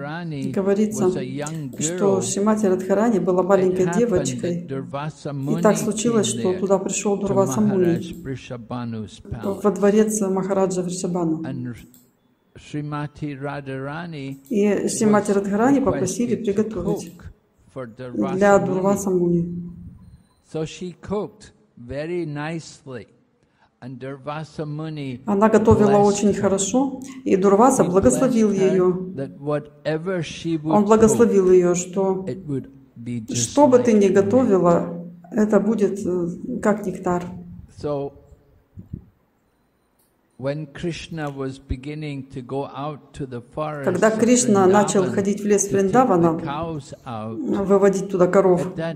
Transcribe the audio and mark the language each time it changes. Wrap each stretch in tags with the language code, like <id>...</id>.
<ru>И говорится, что Шримати Радхарани была маленькой девочкой, и так случилось, что туда пришел Дурваса Муни, во дворец Махараджа Вришабану. И Шримати Радхарани попросили приготовить для Дурваса Муни.</ru> <en>So she cooked very nicely, and Durvasa Muni.</en> <ru>Она готовила очень хорошо, и Дурваса благословил ее. Он благословил ее, что бы ты ни готовила, это будет как нектар.</ru> <en>So when Krishna was beginning to go out to the forest,</en> <ru>когда Кришна начал ходить в лес Вриндавана, выводить туда коров,</ru>